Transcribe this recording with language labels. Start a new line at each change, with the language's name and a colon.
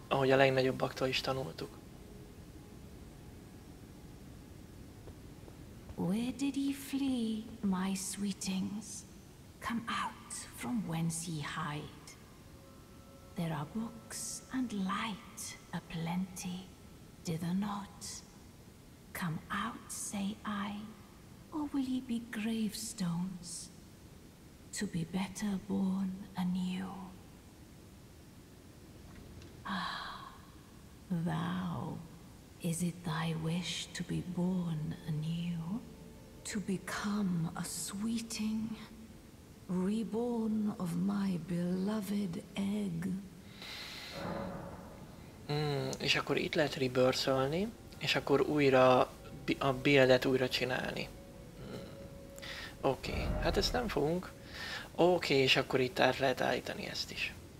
Hungarian: Ahogy a legnagyobbaktól is tanultuk.
English: Where did he flee, my sweetings? Come out from whence ye hide. There are books and light aplenty. Dither not. come out, say I? Or will ye be gravestones to be better born anew? Ah, thou, is it thy wish to be born anew? To become a sweeting, reborn of my beloved egg?
Hungarian: És akkor itt lehet rebirth-ölni, és akkor újra a build-et újra csinálni. Oké, hát ezt nem fogunk. Oké, és akkor itt át lehet állítani ezt is.